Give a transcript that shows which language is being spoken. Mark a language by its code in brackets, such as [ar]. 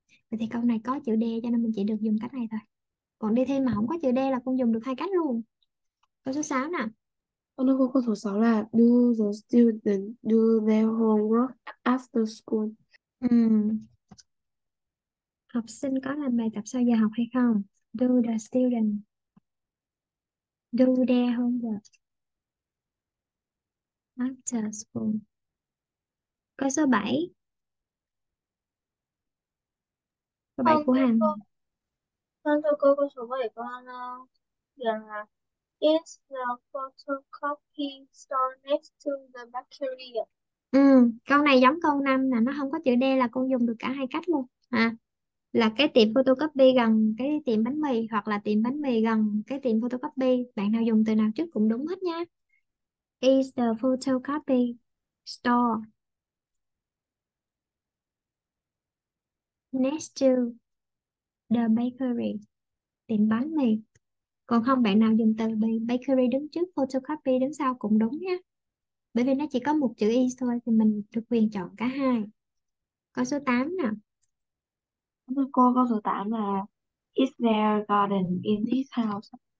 [vi] Vậy thì câu này có chữ D cho nên mình chỉ được dùng cách này thôi. Còn đi thêm mà không có chữ D là con dùng được hai cách luôn. Câu số 6 nè. Nó có câu số 6 là [en] do the student do their homework after school. [vi] Học sinh có làm bài tập sau giờ học hay không? [en] Do the student do their homework after school. [vi] Câu số 7. Câu 7 của Hằng. Con thưa cô, câu số 7 con là [en] Is the photocopy store next to the bacteria? [vi] Câu này giống câu 5 nè, nó không có chữ D là con dùng được cả hai cách luôn. Là cái tiệm photocopy gần cái tiệm bánh mì, hoặc là tiệm bánh mì gần cái tiệm photocopy. Bạn nào dùng từ nào trước cũng đúng hết nhé. [en] Is the photocopy store next to the bakery, [vi] tiệm bánh mì. Còn không, bạn nào dùng từ bakery đứng trước, photocopy đứng sau cũng đúng nhé. Bởi vì nó chỉ có một chữ is thôi, thì mình được quyền chọn cả hai. Câu số 8 nè. Cô có số 8 là [en] Is there a garden in this house?